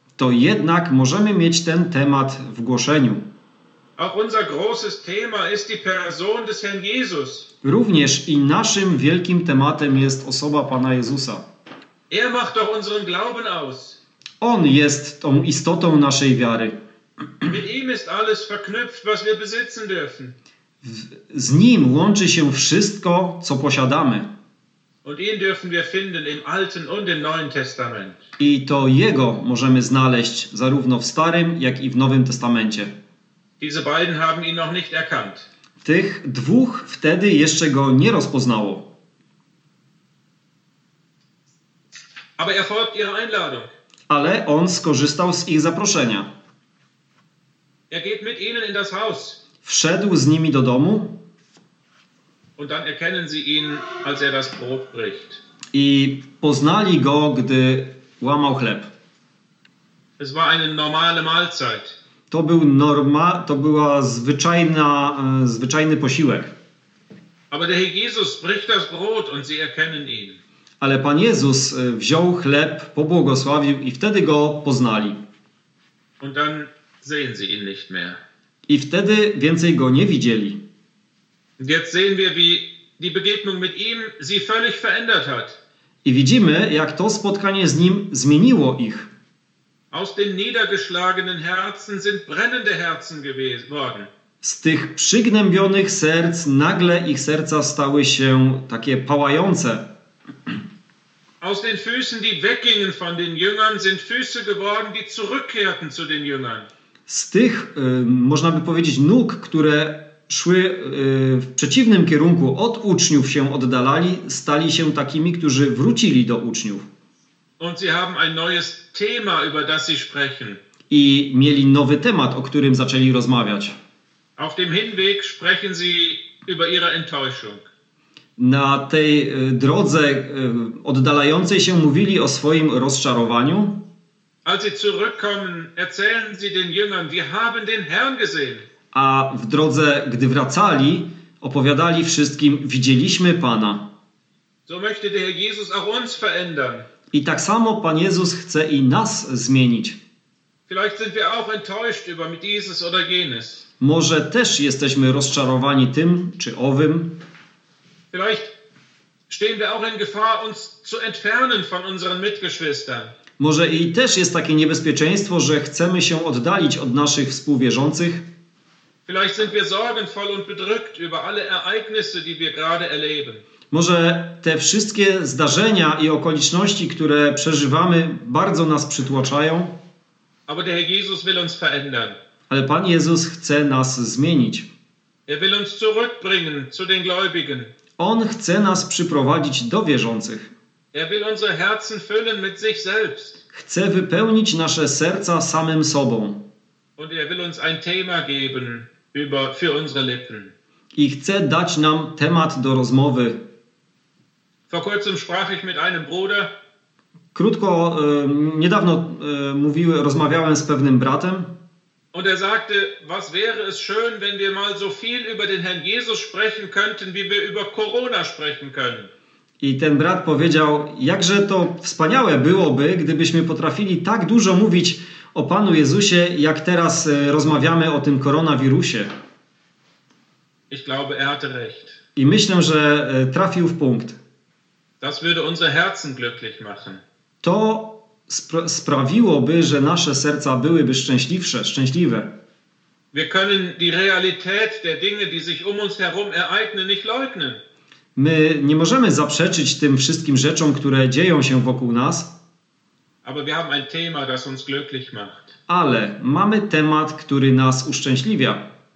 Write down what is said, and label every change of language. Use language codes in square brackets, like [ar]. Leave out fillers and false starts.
[pl] To jednak możemy mieć ten temat w głoszeniu. [de] Auch unser großes Thema ist die Person des Herrn Jesus. [pl] Również i naszym wielkim tematem jest osoba Pana Jezusa. [de] Er macht doch unseren Glauben aus. [pl] On jest tą istotą naszej wiary. [de] Mit ihm ist alles verknüpft, was wir besitzen dürfen. [pl] Z nim łączy się wszystko, co posiadamy. [de] Und ihn dürfen wir finden im Alten und im Neuen Testament. [pl] I to jego możemy znaleźć zarówno w Starym, jak i w Nowym Testamencie. [de] Diese beiden haben ihn noch nicht erkannt. [pl] Tych dwóch wtedy jeszcze go nie rozpoznało. [de] Aber er folgt ihrer Einladung. [pl] Ale on skorzystał z ich zaproszenia. [de] Er geht mit ihnen in das Haus. [pl] Wszedł z nimi do domu. [de] Und dann erkennen sie ihn, als er das Brot bricht. [pl] I poznali go, gdy łamał chleb. [de] Es war eine normale Mahlzeit. [pl] To był to była zwyczajny posiłek. [de] Aber der Herr Jesus bricht das Brot und sie erkennen ihn. [pl] Ale Pan Jezus wziął chleb, pobłogosławił i wtedy go poznali. [de] Und dann sehen sie ihn nicht mehr. [pl] I wtedy więcej go nie widzieli. [de] Jetzt sehen wir, wie die Begegnung mit ihm sie völlig verändert hat. [pl] I widzimy, jak to spotkanie z nim zmieniło ich. [de] Aus den niedergeschlagenen Herzen sind brennende Herzen geworden. [pl] Z tych przygnębionych serc nagle ich serca stały się takie pałające. [de] Aus den Füßen, die weggingen von den Jüngern, sind Füße geworden, die zurückkehrten zu den Jüngern. [pl] Z tych, można by powiedzieć, nóg, które szły w przeciwnym kierunku od uczniów, się oddalali, stali się takimi, którzy wrócili do uczniów. [de] Und sie haben ein neues Thema, über das sie sprechen. [pl] I mieli nowy temat, o którym zaczęli rozmawiać. [de] Auf dem Hinweg sprechen sie über ihre Enttäuschung. [pl] Na tej drodze oddalającej się mówili o swoim rozczarowaniu. [de] Als sie zurückkommen, erzählen sie den Jüngern, wir haben den Herrn gesehen. [pl] A w drodze, gdy wracali, opowiadali wszystkim, widzieliśmy Pana. [de] So möchte der Herr Jesus auch uns verändern. [pl] I tak samo Pan Jezus chce i nas zmienić. [de] Vielleicht sind wir auch enttäuscht über dieses oder jenes. [pl] Może też jesteśmy rozczarowani tym czy owym. [de] Vielleicht stehen wir auch in Gefahr, uns zu entfernen von unseren Mitgeschwistern. [pl] Może i też jest takie niebezpieczeństwo, że chcemy się oddalić od naszych współwierzących. [de] Vielleicht sind wir sorgenvoll und bedrückt über alle Ereignisse, die wir gerade erleben. [pl] Może te wszystkie zdarzenia i okoliczności, które przeżywamy, bardzo nas przytłaczają. [de] Aber der Herr Jesus will uns verändern. [pl] Ale Pan Jezus chce nas zmienić. [de] Er will uns zurückbringen zu den Gläubigen. [pl] On chce nas przyprowadzić do wierzących. [de] Er will unsere Herzen füllen mit sich selbst. [pl] Chce wypełnić nasze serca samym sobą. [de] Und er will uns ein Thema geben für unsere Lippen. [pl] I chce dać nam temat do rozmowy. [de] Vor kurzem sprach ich mit einem Bruder. [pl] Krótko, niedawno rozmawiałem z pewnym bratem. [de] Und er sagte, was wäre es schön, wenn wir mal so viel über den Herrn Jesus sprechen könnten, wie wir über Corona sprechen können. [pl] I ten brat powiedział, jakże to wspaniałe byłoby, gdybyśmy potrafili tak dużo mówić o Panu Jezusie, jak teraz rozmawiamy o tym koronawirusie. [de] Ich glaube, er hatte recht. [pl] I myślę, że trafił w punkt. [de] Das würde unsere Herzen glücklich machen. [pl] To sprawiłoby, że nasze serca byłyby szczęśliwsze, szczęśliwe. [de] Wir können die Realität der Dinge, die sich um uns herum ereignen, nicht leugnen. [pl] My nie możemy zaprzeczyć tym wszystkim rzeczom, które dzieją się wokół nas. [de] Aber wir haben ein Thema, das uns glücklich macht. [pl] Ale mamy temat, który nas uszczęśliwia.